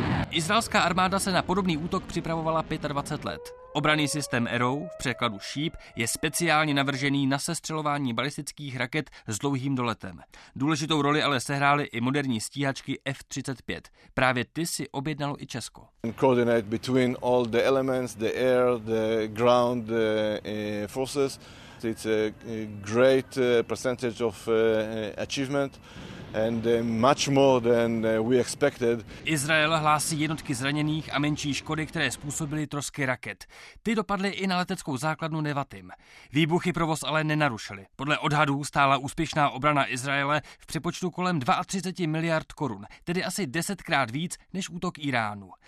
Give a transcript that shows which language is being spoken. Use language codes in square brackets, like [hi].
[cs] Izraelská armáda se na podobný útok připravovala 25 let. Obranný systém Arrow, v překladu šíp, je speciálně navržený na sestřelování balistických raket s dlouhým doletem. Důležitou roli ale sehrály i moderní stíhačky F-35. Právě ty si objednalo i Česko. [en] Coordinate between all the elements, the air, the ground, the forces. It's a great percentage of achievement and much more than we expected. [cs] Izrael hlásí jednotky zraněných a menší škody, které způsobily trosky raket. Ty dopadly i na leteckou základnu Nevatim. Výbuchy provoz ale nenarušily. Podle odhadů stála úspěšná obrana Izraele v přepočtu kolem 32 miliard korun, tedy asi 10x víc než útok Iránu.